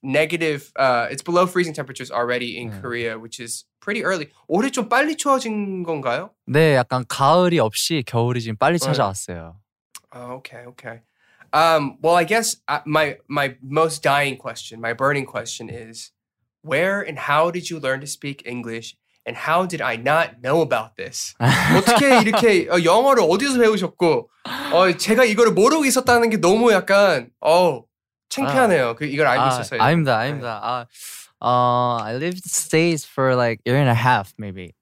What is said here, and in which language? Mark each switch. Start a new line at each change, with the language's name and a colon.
English: It's below freezing temperatures already in Korea, which is pretty early.
Korean: 올해 좀 빨리 추워진 건가요? 네, 약간 가을이 없이 겨울이 지금 빨리 찾아왔어요.
English: Okay. Well, I guess my most dying question, my burning question is, where and how did you learn to speak English? And how did I not know about this?
Korean: 어떻게 이렇게 영어를 어디서 배우셨고 제가 이거를 모르고 있었다는 게 너무 약간 창피하네요. 이걸 알고 있었어요. 아닙니다. 네.
English: I lived in the States for like a year and a half maybe.